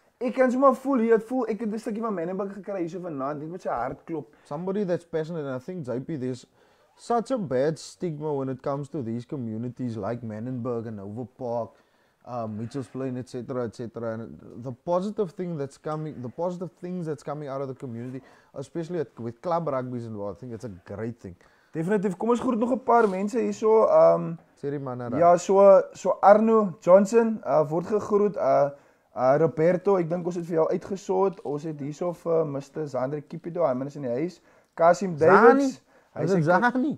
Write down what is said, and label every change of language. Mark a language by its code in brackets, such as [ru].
[af] Ek kan sommer voel hier, ek het 'n stukkie van Manenberg gekry hier so vanaand, dit met sy hart klop. [en] Somebody that's passionate, and I think JP, there's such a bad stigma when it comes to these communities like Manenberg and Nova Park, Mitchell's Plain, etc. And the positive things that's coming out of the community, especially with club rugby's involved, I think it's a great thing. [af] Definitief, kom ons groet nog 'n paar mense hier so. Serie Manara. Ja, so Arno Johnson word gegroet. Roberto, ek dink ons het vir jou uitgesort. Ons het hierso vir Mr. Zandre Kipido, hy is in die huis. Kasim Davids. Hy is Zani.